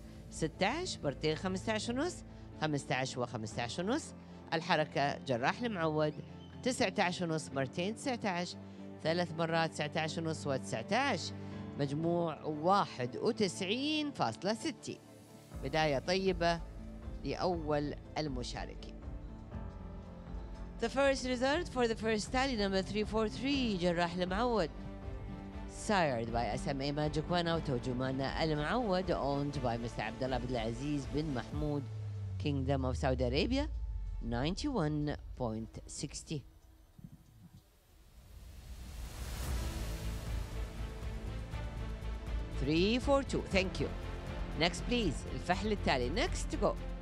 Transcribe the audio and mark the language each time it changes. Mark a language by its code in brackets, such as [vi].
[ar] 16 مرتين 15.5 15 و15.5، الحركة جراح المعود 19.5 مرتين 19 3 مرات 19.5 و19 مجموع 91.60. بداية طيبة لأول المشاركين. [en] The first result for the first tally number 343 جراح المعود sired by SMA Magic One Auto جمانة المعود owned by Mr. عبدالله عبد العزيز بن محمود Kingdom of Saudi Arabia 91.60 342. Thank you. Next please. [ar] الفحل التالي. [en] Next to go.